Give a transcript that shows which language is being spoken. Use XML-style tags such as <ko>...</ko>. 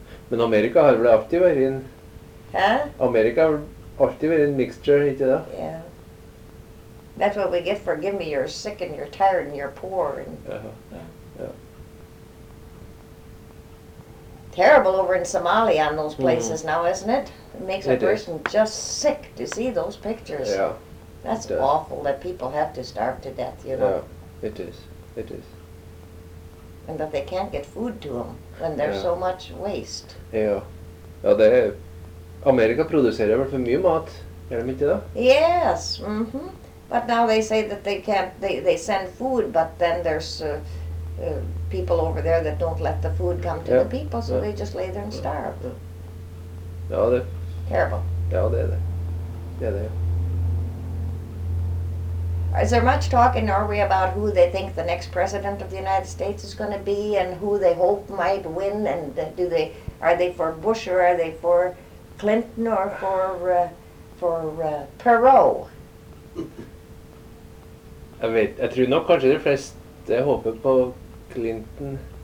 <no>Men Amerika har vel alltid vært en... Huh? Amerika har alltid vært en mixture, ikke da?</no> <en>Yeah. That's what we get for, give me, you're sick and you're tired and you're poor. And terrible over in Somalia on those places now, isn't it? It makes it a person is. Just sick to see those pictures. Yeah. That's awful that people have to starve to death, you know. Yeah, it is. It is. And that they can't get food to them when there's so much waste.</en> <sv>Yeah. Ja, det är... Amerika producerar väl för mycket mat, är det inte då?</sv> <en>Yes, mm-hmm. But now they say that they can't, they send food, but then there's... people over there that don't let the food come to the people, so they just lay there and starve.</en> <sv>Ja, det.</sv> <en>Terrible.</en> <sv>Ja, det är det. Det är det.</sv> <en>Is there much talk in Norway about who they think the next president of the United States is going to be and who they hope might win? And are they for Bush or are they for Clinton or for Perot?</en> <sv>Jag vet. Jag tror nog kanske de flesta hoppas på Clinton.</sv>